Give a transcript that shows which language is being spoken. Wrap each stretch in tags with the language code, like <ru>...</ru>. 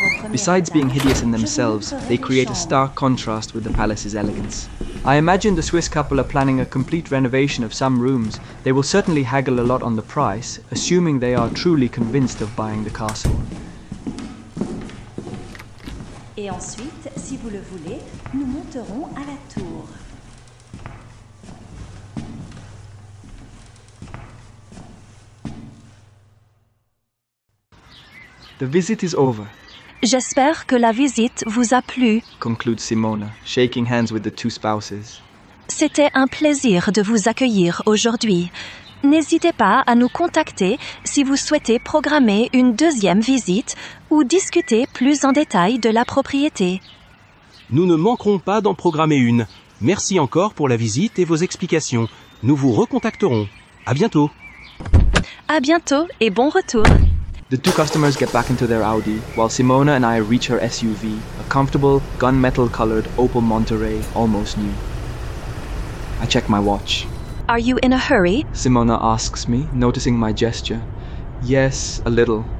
<en>Besides being hideous in themselves, they create a stark contrast with the palace's elegance. I imagine the Swiss couple are planning a complete renovation of some rooms. They will certainly haggle a lot on the price, assuming they are truly convinced of buying the castle.</en> <fr>Et ensuite, si vous le voulez, nous monterons à la tour.</fr> <en>The visit is over.</en> <fr>J'espère que la visite vous a plu,</fr> <en>concludes Simona, shaking hands with the two spouses.</en> <fr>C'était un plaisir de vous accueillir aujourd'hui. N'hésitez pas à nous contacter si vous souhaitez programmer une deuxième visite ou discuter plus en détail de la propriété. Nous ne manquerons pas d'en programmer une. Merci encore pour la visite et vos explications. Nous vous recontacterons. À bientôt. À bientôt et bon retour.</fr> <en>The two customers get back into their Audi, while Simona and I reach her SUV, a comfortable, gunmetal-colored Opel Monterey, almost new. I check my watch. Are you in a hurry? Simona asks me, noticing my gesture. Yes, a little.</en>